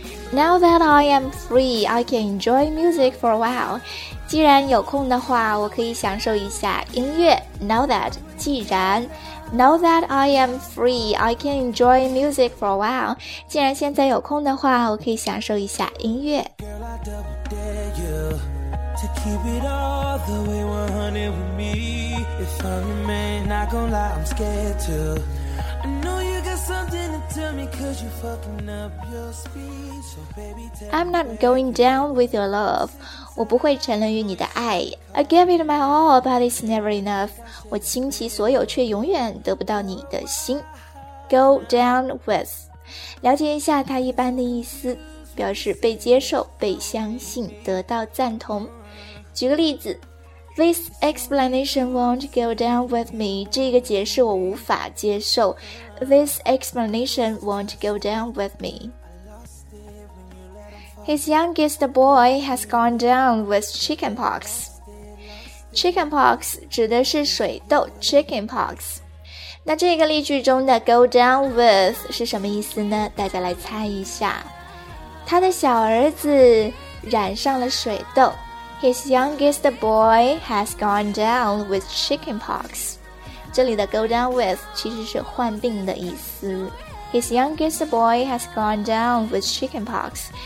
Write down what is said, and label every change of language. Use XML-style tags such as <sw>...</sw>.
<en>Now that I am free, I can enjoy music for a while.</en> <zh>既然有空的话，我可以享受一下音乐。</zh> <en>Now that, 既然。Now that I am free, I can enjoy music for a while.</en> <zh>既然现在有空的话，我可以享受一下音乐。</zh> <en>Girl, I double dare you to keep it all the way 100 with me. If I'm your man, not gonna lie, I'm scared to. I know you got something to tell me, cause you're fucking up your speed. I'm not going down with your love.</en> <zh>我不会沉沦于你的爱。</zh> <en>I gave it my all, but it's never enough.</en> <zh>我倾其所有，却永远得不到你的心。</zh> <en>Go down with.</en> <zh>了解一下它一般的意思，表示被接受、被相信、得到赞同。举个例子，</zh> <en>This explanation won't go down with me.</en> <zh>这个解释我无法接受。</zh> <en>This explanation won't go down with me. His youngest boy has gone down with chickenpox.</en> <zh>Chickenpox 指的是水痘 Chickenpox。那这个例句中的 go down with 是什么意思呢？大家来猜一下。他的小儿子染上了水痘。</zh> <en>His youngest boy has gone down with chickenpox。</en> <zh>这里的 go down with 其实是患病的意思。</zh> <en>His youngest boy has gone down with chickenpox。</en>